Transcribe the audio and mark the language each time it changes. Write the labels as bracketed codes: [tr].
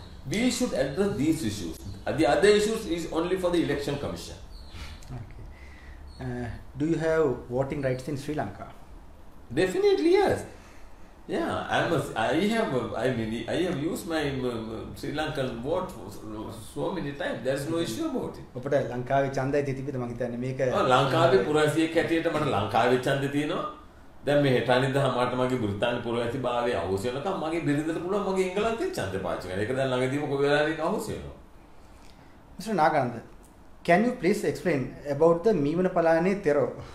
[en] We should address these issues. The other issues is only for the election commission. Okay. Do you have voting rights in Sri Lanka? Definitely yes. Yeah, I have used my Sri Lankan vote so many times. There is no issue about it. [si] අපිට ලංකාවේ ඡන්දය තියෙති මම හිතන්නේ මේක. ඔව් ලංකාවේ පුරවැසියෙක් හැටියට මට ලංකාවේ ඡන්දය තියෙනවා. දැන් මේ හෙටනිදා මාට මගේ බ්‍රිතාන්‍ය පුරවැසි භාවයේ අවශ්‍ය නැතම මගේ බිරිඳට පුළුවන් මගේ ඉංගලන්තයේ ඡන්දය පාවිච්චි කරන්න. ඒක දැන් ළඟදීම කොයි වෙලාවකින් අවශ්‍ය වෙනවා. [en] Mr. Naganda, can you please explain about the Meevana Palayane Thero?